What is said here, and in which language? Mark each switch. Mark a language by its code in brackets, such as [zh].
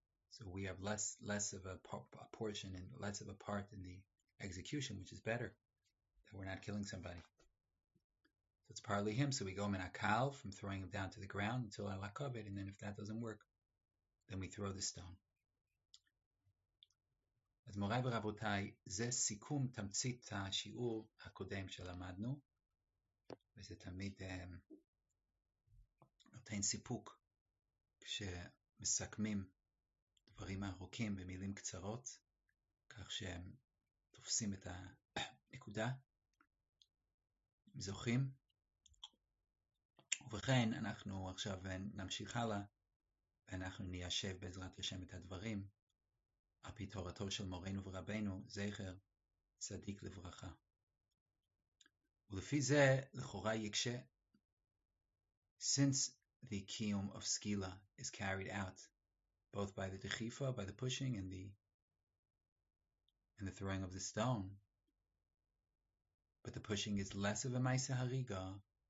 [en] So we have less of a portion and less of a part in the execution, which is better that we're not killing somebody. So it's partly him. So we go min akal, from throwing him down to the ground until al hakavod, and then if that doesn't work, then we throw the stone. [he] אז מוריי ורבותיי, זה סיכום תמצית השיעור הקודם שלמדנו, וזה תמיד נותן סיפוק כשמסכמים דברים ארוכים במילים קצרות, כך שהם תופסים את הנקודה, זוכים. ובכן, אנחנו עכשיו נמשיך הלאה, ואנחנו ניישב בעזרת השם את הדברים. על פי תורתו של מורנו ורבנו, זכר צדיק לברכה. ולפי זה, לכאורה יקשה. [en] Since the kiyum of skila is carried out, both by the dechifa, by the pushing, and the throwing of the stone, but the pushing is less of a maisa hariga,